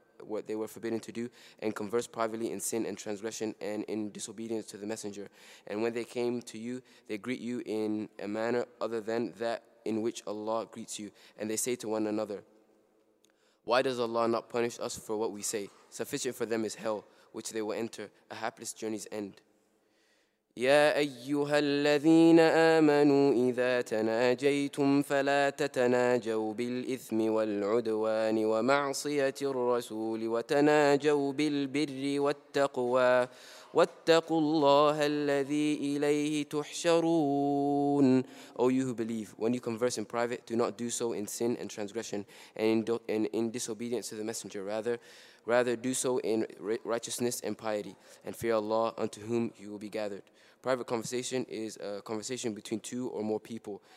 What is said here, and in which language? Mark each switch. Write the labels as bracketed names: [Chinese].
[English] what they were forbidden to do, and conversed privately in sin and transgression and in disobedience to the messenger. And when they came to you, they greet you in a manner other than that in which Allah greets you. And they say to one another, why does Allah not punish us for what we say? Sufficient for them is hell, which they will enter, a hapless journey's end. [Arabic] يا أيها الذين آمنوا إذا تناجيتم فلا تتناجوا بالإثم والعدوان ومعصية الرسول وتناجوا بالبر والتقوى واتقوا الله الذي إليه تحشرون. [English] O you who believe, when you converse in private, do not do so in sin and transgression and in disobedience to the messenger. Rather do so in righteousness and piety, and fear Allah, unto whom you will be gathered. Private conversation is a conversation between two or more people.